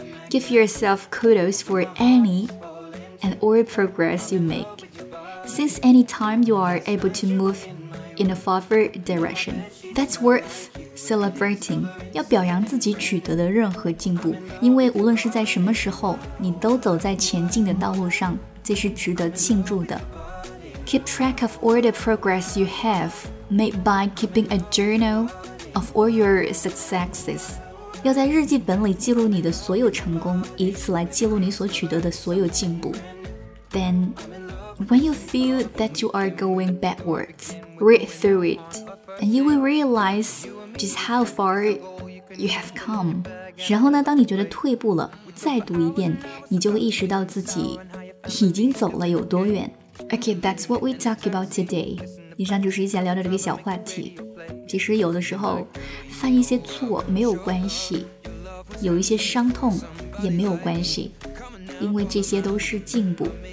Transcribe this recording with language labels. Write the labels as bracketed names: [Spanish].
[English] Give yourself kudos for any and all progress you make, since any time you are able to move in a forward direction, that's worth celebrating. [Chinese] 要表扬自己取得的任何进步，因为无论是在什么时候，你都走在前进的道路上，这是值得庆祝的。 [English] Keep track of all the progress you have made by keeping a journal of all your successes. [Chinese] 要在日记本里记录你的所有成功，以此来记录你所取得的所有进步。 [English] Then, when you feel that you are going backwards, read through it, and you will realize just how far you have come. [Chinese] 然后呢，当你觉得退步了，再读一遍，你就会意识到自己已经走了有多远。 [English] Okay, that's what we talk about today. [Chinese] 以上就是一起来聊聊这个小话题。其实有的时候犯一些错没有关系，有一些伤痛也没有关系，因为这些都是进步。